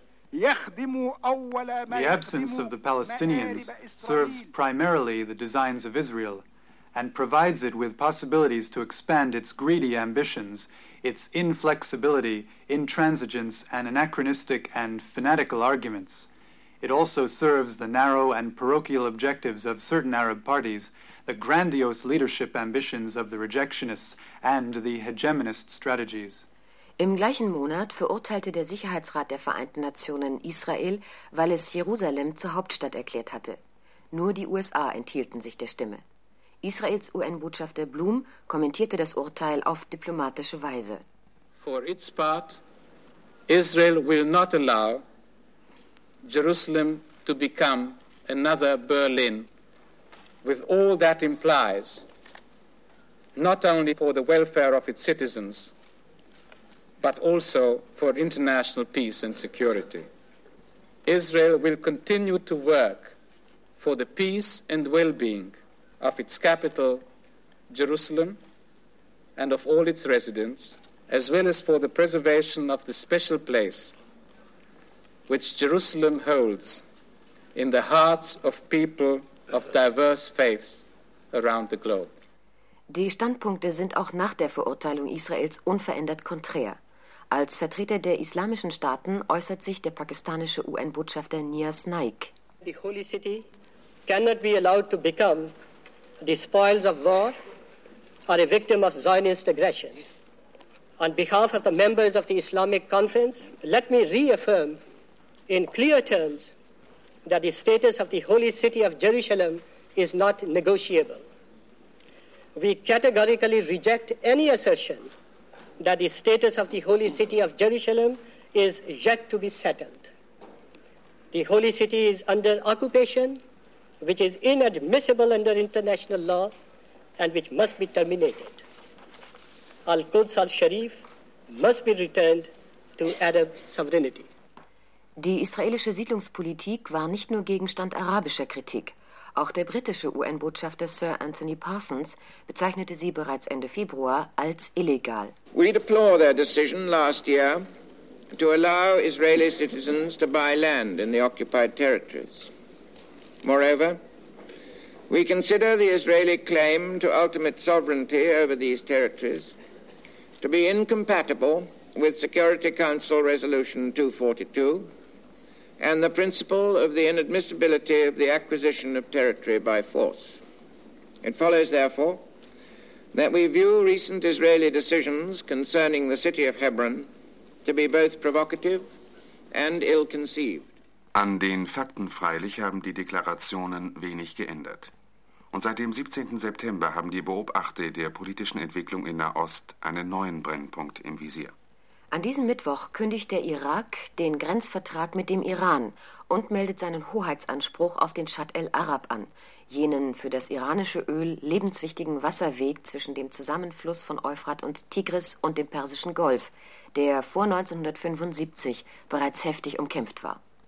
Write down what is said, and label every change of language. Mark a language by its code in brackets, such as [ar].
[en] The absence of the Palestinians serves primarily the designs of Israel and provides it with possibilities to expand its greedy ambitions, its inflexibility, intransigence, and anachronistic and fanatical arguments. It also serves the narrow and parochial objectives of certain Arab parties, the grandiose leadership ambitions of the rejectionists and the hegemonist strategies. [de] Im gleichen Monat verurteilte der Sicherheitsrat der Vereinten Nationen Israel, weil es Jerusalem zur Hauptstadt erklärt hatte. Nur die USA enthielten sich der Stimme. Israels UN-Botschafter Blum kommentierte das Urteil auf diplomatische Weise. [en] For its part, Israel will not allow Jerusalem to become another Berlin, with all that implies, not only for the welfare of its citizens, but also for international peace and security. Israel will continue to work for the peace and well-being of its capital, Jerusalem, and of all its residents, as well as for the preservation of the special place which Jerusalem holds in the hearts of people of diverse faiths around the globe. [de] Die Standpunkte sind auch nach der Verurteilung Israels unverändert konträr. Als Vertreter der islamischen Staaten äußert sich der pakistanische UN-Botschafter Nias Naik. [en] The holy city cannot be allowed to become the spoils of war or a victim of Zionist aggression. On behalf of the members of the Islamic Conference, let me reaffirm in clear terms that the status of the holy city of Jerusalem is not negotiable. We categorically reject any assertion that the status of the holy city of Jerusalem is yet to be settled. The holy city is under occupation, which is inadmissible under international law and which must be terminated. Al-Quds al-Sharif must be returned to Arab sovereignty. [de] Die israelische Siedlungspolitik war nicht nur Gegenstand arabischer Kritik. Auch der britische UN-Botschafter Sir Anthony Parsons bezeichnete sie bereits Ende Februar als illegal. [en] We deplore their decision last year to allow Israeli citizens to buy land in the occupied territories. Moreover, we consider the Israeli claim to ultimate sovereignty over these territories to be incompatible with Security Council Resolution 242. And the principle of the inadmissibility of the acquisition of territory by force. It follows, therefore, that we view recent Israeli decisions concerning the city of Hebron to be both provocative and ill-conceived. [de] An den Fakten freilich haben die Deklarationen wenig geändert. Und seit dem 17. September haben die Beobachter der politischen Entwicklung in Nahost einen neuen Brennpunkt im Visier. An diesem Mittwoch kündigt der Irak den Grenzvertrag mit dem Iran und meldet seinen Hoheitsanspruch auf den Schatt el-Arab an, jenen für das iranische Öl lebenswichtigen Wasserweg zwischen dem Zusammenfluss von Euphrat und Tigris und dem Persischen Golf, der vor 1975 bereits heftig umkämpft war.